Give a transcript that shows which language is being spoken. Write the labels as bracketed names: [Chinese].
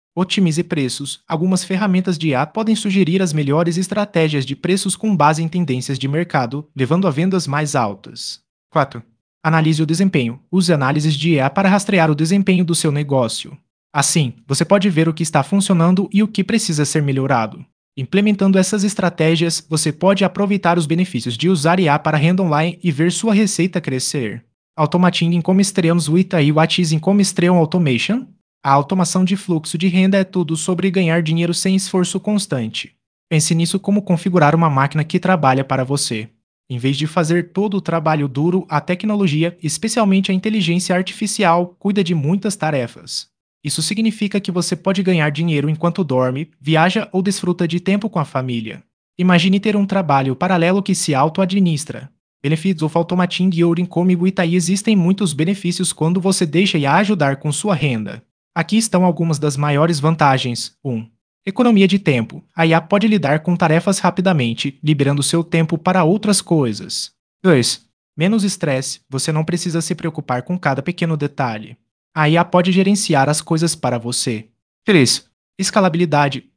[Portuguese] Otimize preços. Algumas ferramentas de IA podem sugerir as melhores estratégias de preços com base em tendências de mercado, levando a vendas mais altas. 4. Analise o desempenho. Use análises de IA para rastrear o desempenho do seu negócio. Assim, você pode ver o que está funcionando e o que precisa ser melhorado. Implementando essas estratégias, você pode aproveitar os benefícios de usar IA para renda online e ver sua receita crescer. [English] Automating Income Streams with AI. What is Income Stream Automation? [Portuguese] A automação de fluxo de renda é tudo sobre ganhar dinheiro sem esforço constante. Pense nisso como configurar uma máquina que trabalha para você. Em vez de fazer todo o trabalho duro, a tecnologia, especialmente a inteligência artificial, cuida de muitas tarefas. Isso significa que você pode ganhar dinheiro enquanto dorme, viaja ou desfruta de tempo com a família. Imagine ter um trabalho paralelo que se auto-administra. [English] Benefits of Automating Your Income with AI. [Portuguese] Existem muitos benefícios quando você deixa IA ajudar com sua renda. Aqui estão algumas das maiores vantagens. 1. Economia de tempo. A IA pode lidar com tarefas rapidamente, liberando seu tempo para outras coisas. 2. Menos estresse. Você não precisa se preocupar com cada pequeno detalhe. A IA pode gerenciar as coisas para você. 3. Escalabilidade.